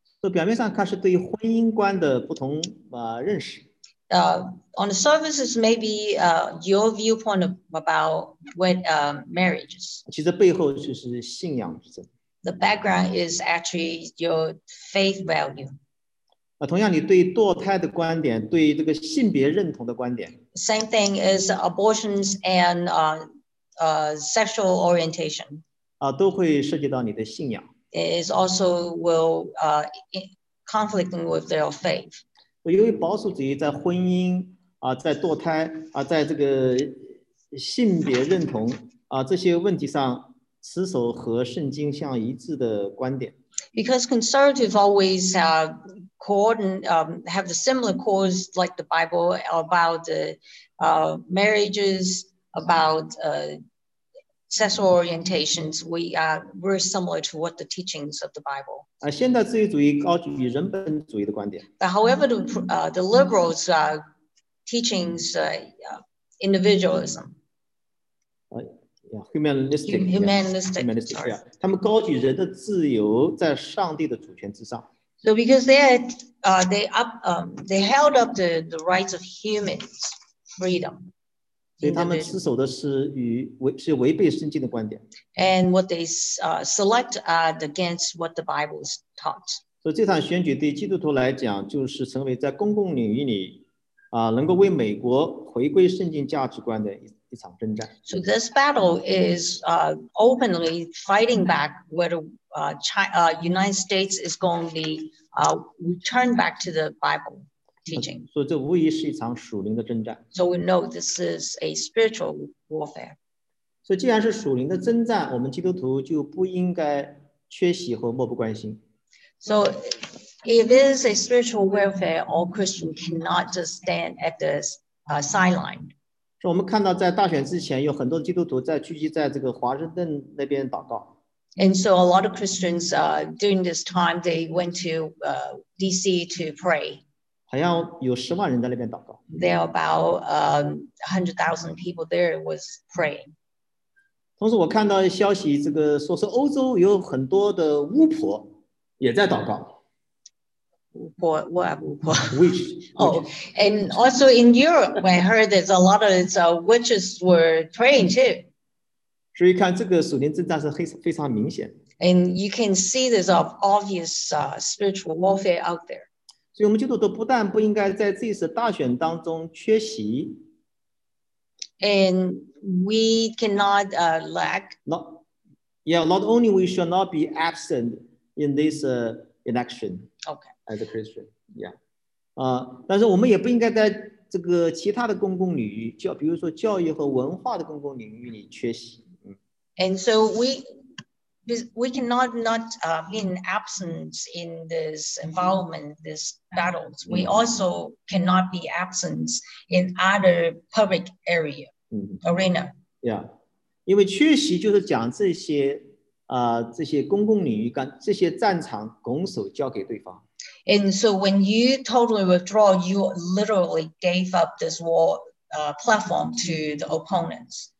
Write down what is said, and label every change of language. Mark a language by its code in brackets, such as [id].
[zh] So, 表面上看是对于婚姻观的不同认识。 [en] On the surfaces, maybe your viewpoint about what marriages. [zh] 其实背后就是信仰之争。 [en] The background is actually your faith value. [zh] 同样，你对堕胎的观点，对这个性别认同的观点。 [en] Same thing is abortions and sexual orientation. [zh] 都会涉及到你的信仰。 [en] It is also will conflicting with their faith. [zh] 由于保守主义在婚姻在堕胎在这个性别认同这些问题上持守和圣经相一致的观点。 [en] Because conservatives always have the similar cause like the Bible about marriages, about sexual orientations, we are very similar to what the teachings of the Bible. [zh] 现代自由主义高举人本主义的观点。 [en] But however, the liberals are teachings individualism. Humanistic. [zh] 他们高举人的自由在上帝的主权之上。 [en] So because they held up the rights of humans, freedom. [zh] 所以他们持守的是是违背圣经的观点。 [en] And what they select are against what the Bible is taught. [zh] 所以这场选举对基督徒来讲，就是成为在公共领域里能够为美国回归圣经价值观的一场征战。 [en] So this battle is openly fighting back whether United States is going to return back to the Bible. [zh] 所以这无疑是一场属灵的征战。 [en] So we know this is a spiritual warfare. [zh] 所以既然是属灵的征战，我们基督徒就不应该缺席或漠不关心。 [en] So if it is a spiritual warfare, all Christians cannot just stand at the sideline. [zh] 所以我们看到在大选之前，有很多基督徒在聚集在这个华盛顿那边祷告。 [en] And so a lot of Christians during this time, they went to DC to pray. [zh] 好像有十万人在那边祷告。 [en] There are about 100,000 people there was praying. [zh] 同时我看到消息，这个说是欧洲有很多的巫婆也在祷告。 [en] Witch. Oh, and also in Europe, I heard there's a lot of witches were praying too. [zh] 所以看这个属灵征战是非常明显。 [en] And you can see there's an obvious spiritual warfare out there. [zh] 所以我们基督徒不但不应该在这次大选当中缺席 [en] ，and we cannot lack. Not only we should not be absent in this election. Okay. As a Christian, yeah. [zh] 但是我们也不应该在这个其他的公共领域，比如说教育和文化的公共领域里缺席。 [en] And so we cannot not be absent in this environment, these battles. We also cannot be absent in other public area, arena. [zh] Yeah, 因为缺席就是讲这些这些公共领域干这些战场拱手交给对方。 [en] And so when you totally withdraw, you literally gave up this war platform to the opponents.